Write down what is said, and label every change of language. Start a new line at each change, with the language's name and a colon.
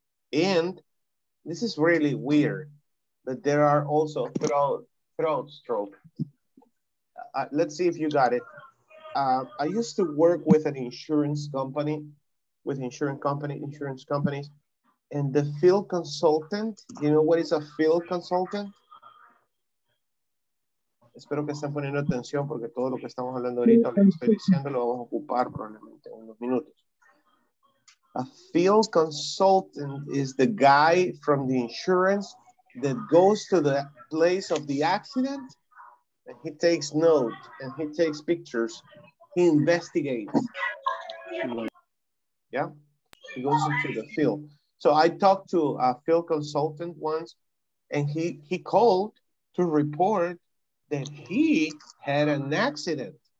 English: And this is really weird, but there are also throat stroke. Let's see if you got it. I used to work with an insurance companies, and the field consultant, you know what is a field consultant?
Spanish: Espero que estén poniendo atención porque todo lo que estamos hablando ahorita, lo que estoy diciendo, lo vamos a ocupar probablemente en unos minutos.
English: A field consultant is the guy from the insurance that goes to the place of the accident and he takes notes and he takes pictures. He investigates. Yeah? He goes into the field. So I talked to a field consultant once and he called to report that he had an accident.